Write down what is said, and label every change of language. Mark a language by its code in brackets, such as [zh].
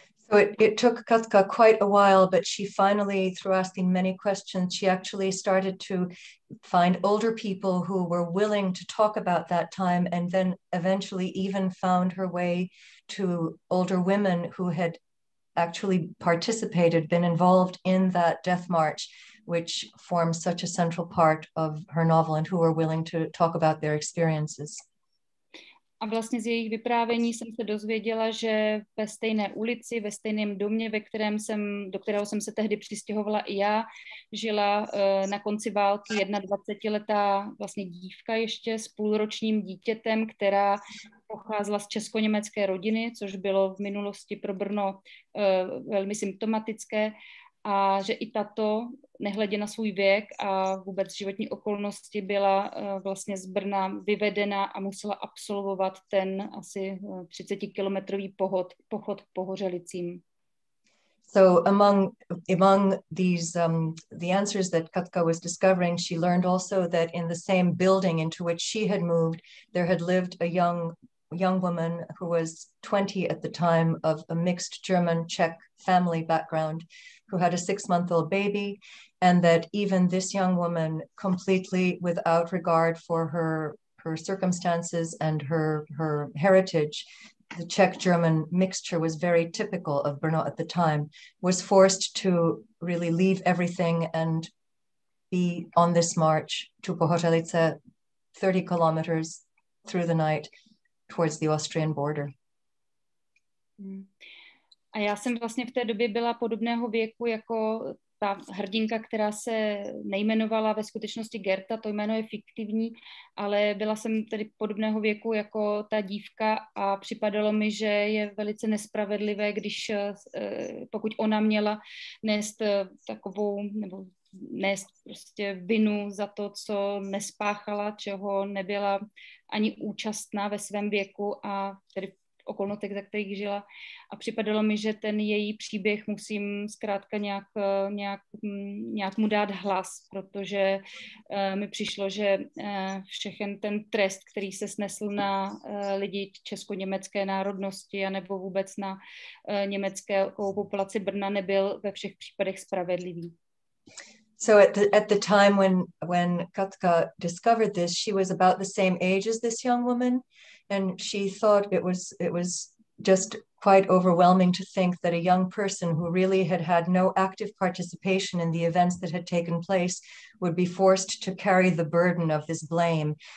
[en] So it took Katka quite a while, but she finally, through asking many questions, she actually started to find older people who were willing to talk about that time, and then eventually even found her way to older women who had actually participated, been involved in that death march, which forms such a central part of her novel, and who were willing to talk about their experiences. [cs] A vlastně z jejich vyprávění jsem se dozvěděla, že ve stejné ulici, ve stejném domě, do kterého jsem se tehdy přistěhovala i já, žila na konci války 21letá vlastně dívka ještě s půlročním dítětem, která pocházela z česko-německé rodiny, což bylo v minulosti pro Brno velmi symptomatické. A že i tato, nehledě na svůj věk a vůbec životní okolnosti, byla vlastně z Brna vyvedena a musela absolvovat ten asi 30-kilometrový pochod k Pohořelicím. [en] So among these the answers that Katka was discovering, she learned also that in the same building into which she had moved, there had lived a young woman who was 20 at the time, of a mixed German Czech family background, who had a 6-month-old baby, and that even this young woman, completely without regard for her circumstances and her heritage, the Czech German mixture was very typical of Brno at the time, was forced to really leave everything and be on this march to Pohořelice, 30 kilometers through the night towards the Austrian border. [cs] A já jsem vlastně v té době byla podobného věku jako ta hrdinka, která se nejmenovala ve skutečnosti Gerta, to jméno je fiktivní, ale byla jsem tedy podobného věku jako ta dívka a připadalo mi, že je velice nespravedlivé, když pokud ona měla nést takovou nebo nést prostě vinu za to, co nespáchala, čeho nebyla ani účastná ve svém věku a tedy okolnostech, za kterých žila. A připadalo mi, že ten její příběh musím zkrátka nějak mu dát hlas, protože mi přišlo, že všechen ten trest, který se snesl na lidi česko-německé národnosti anebo vůbec na německé populaci Brna, nebyl ve všech případech spravedlivý. [en] So at the time when Katka discovered this, she was about the same age as this young woman, and she thought it was just quite overwhelming to think that a young person who really had no active participation in the events that had taken place would be forced to carry the burden of this blame.